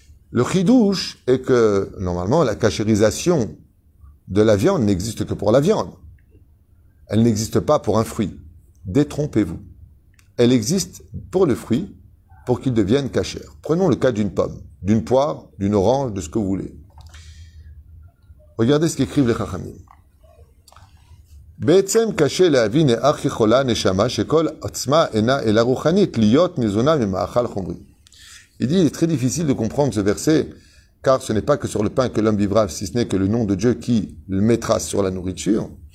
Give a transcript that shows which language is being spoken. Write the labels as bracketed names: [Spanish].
[French] Le chidouche est que, normalement, la kasherisation de la viande n'existe que pour la viande. Elle n'existe pas pour un fruit. Détrompez-vous. Elle existe pour le fruit, pour qu'il devienne cachère. Prenons le cas d'une pomme, d'une poire, d'une orange, de ce que vous voulez. Regardez ce qu'écrivent les Chachamim. [Hebrew] בעצם קשה להבין איך יכולה הנשמה שכל עצמה אינה אלא רוחנית להיות ניזונה ממאכל חומרי. [French] Il dit, il est très difficile de comprendre ce verset, car ce n'est pas que sur le pain que l'homme vivra, si ce n'est que le nom de Dieu qui le mettra sur la nourriture.